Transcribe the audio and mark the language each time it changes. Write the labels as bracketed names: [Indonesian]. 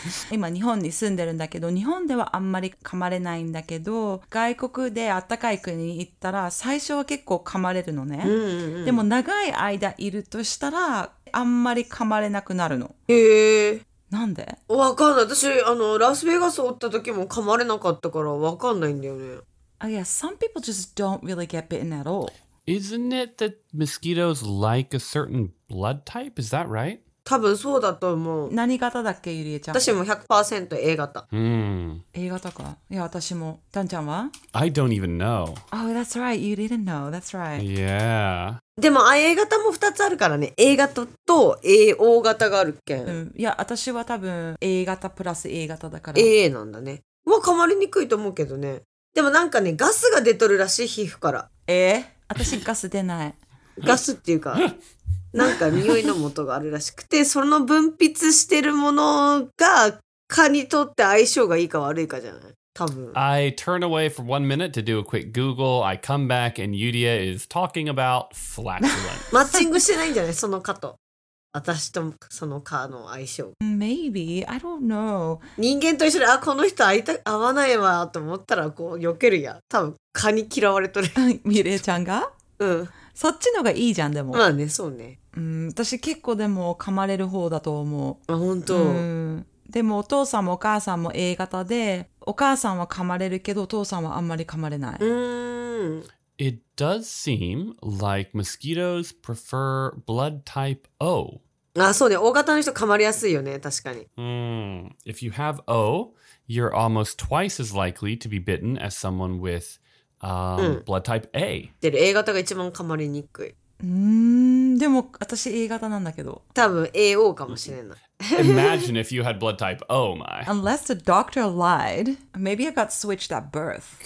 [Japanese] 今日本に住んでるんだけど、日本ではあんまり噛まれないんだけど、外国で暖かい国に行ったら最初は結構噛まれるのね。でも長い間いるとしたらあんまり噛まれなくなるの。へえ。なんで？わかんない。私あのラスベガスおった時も噛まれなかったからわかんないんだよね。 [English] Yeah, some people just don't really get bitten at all. Isn't it that mosquitoes like a certain blood type? Is that right? [Japanese] 多分そうだと思う。何型だっけ、ゆりえちゃん？私も 100% A 型。 A 型か。いや、私も。ダンちゃんは？ [English] I don't even know. Oh, that's right. You didn't know. That's right. Yeah. [Japanese] でも、A 型も2つあるからね。 A 型と AO 型があるっけん。いや、私は多分 A 型プラス A 型だから。 AA なんだね。まあ、噛まれにくいと思うけどね。でもなんかね、ガスが出とるらしい、皮膚から。私ガス出ない。ガスっていうか、なんか匂いの元があるらしくて、その分泌してるものが蚊にとって相性がいいか悪いかじゃない？多分。 [English] I turn away for 1 minute to do a quick Google. I come back and Yuria is talking about flatulence. [Japanese] マッチングしてないんじゃない？その蚊と。私とその蚊の相性。 [English] Maybe, I don't know. [Japanese] 人間と一緒で、あ、この人合わないわと思ったら、こう、避けるや。多分、蚊に嫌われとる。ミレイちゃんが？うん。そっちのがいいじゃん、でも。まあね、そうね。私結構でも噛まれる方だと思う。あ、本当。でもお父さんもお母さんも A 型で、お母さんは噛まれるけど、お父さんはあんまり噛まれない。 [English] It does seem like mosquitoes prefer blood type O. [Japanese] Ah, so, yeah, O 型の人噛まれやすいよね、確かに。 [English] If you have O, you're almost twice as likely to be bitten as someone with blood type A. [Japanese] で、A 型が一番噛まれにくい。でも私 A 型なんだけど。多分 AO かもしれない。 [English] Imagine if you had blood type O, my. Unless the doctor lied, maybe I got switched at birth.